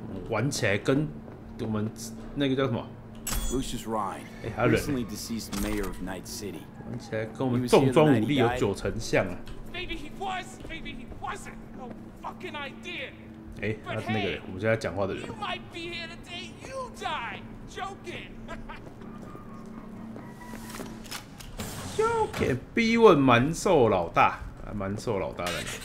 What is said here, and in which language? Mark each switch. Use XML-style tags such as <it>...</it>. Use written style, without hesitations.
<zh>玩起来跟我们那个叫什么</zh> <en>Lucius Ryan, recently deceased mayor of Night City.</en> <zh>玩起来跟我们重装武力有九成像啊。</zh> <en>Maybe he was, maybe he wasn't. No fucking idea.</en> <zh>哎，那是那个人，我们现在讲话的人。</zh> <en>You might be here the day you die, joking. Joking.</en> <zh>逼问蛮兽老大，蛮兽老大来。</zh>